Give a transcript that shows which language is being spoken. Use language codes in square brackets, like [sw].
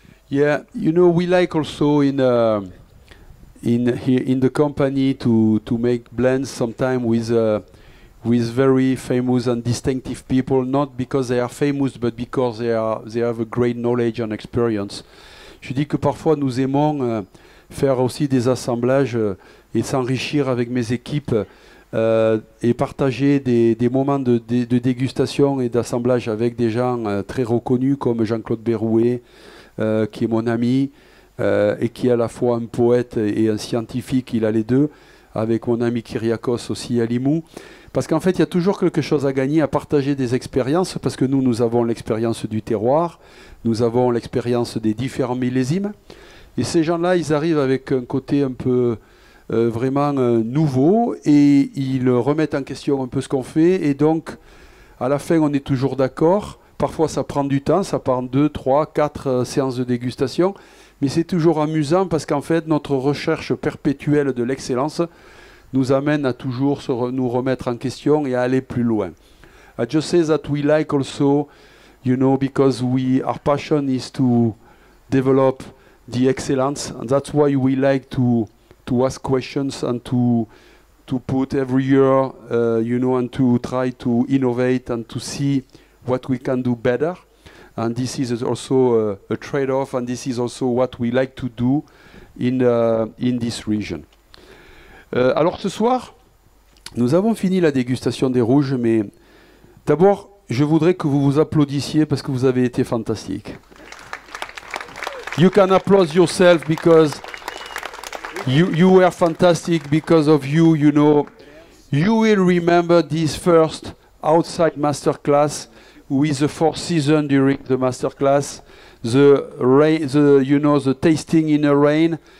[en] Yeah, you know, we like also in here in the company to make blends sometime with very famous and distinctive people, not because they are famous, but because they have a great knowledge and experience. [fr] Je dis que parfois nous aimons faire aussi des assemblages et s'enrichir avec mes équipes et partager des moments de dégustation et d'assemblage avec des gens très reconnus comme Jean-Claude Berouet, qui est mon ami et qui est à la fois un poète et un scientifique, il a les deux, avec mon ami Kyriakos aussi à Limoux. Parce qu'en fait, il y a toujours quelque chose à gagner à partager des expériences, parce que nous avons l'expérience du terroir, nous avons l'expérience des différents millésimes. Et ces gens-là, ils arrivent avec un côté un peu vraiment nouveau, et ils remettent en question un peu ce qu'on fait. Et donc, à la fin, on est toujours d'accord. Parfois, ça prend du temps, ça prend 2, 3, 4 séances de dégustation. Mais c'est toujours amusant parce qu'en fait, notre recherche perpétuelle de l'excellence nous amène à toujours nous remettre en question et à aller plus loin. [en] I just say that we like also, you know, because our passion is to develop the excellence, and that's why we like to ask questions and to put every year, you know, and to try to innovate and to see what we can do better. And this is also a trade-off, and this is also what we like to do in this region. [fr] Alors ce soir, nous avons fini la dégustation des rouges, mais d'abord, je voudrais que vous vous applaudissiez parce que vous avez été fantastique. [en] You can applaud yourself because you were fantastic because of you, you know. You will remember this first outside masterclass with the four season during the masterclass, the rain, the, you know, the tasting in the rain.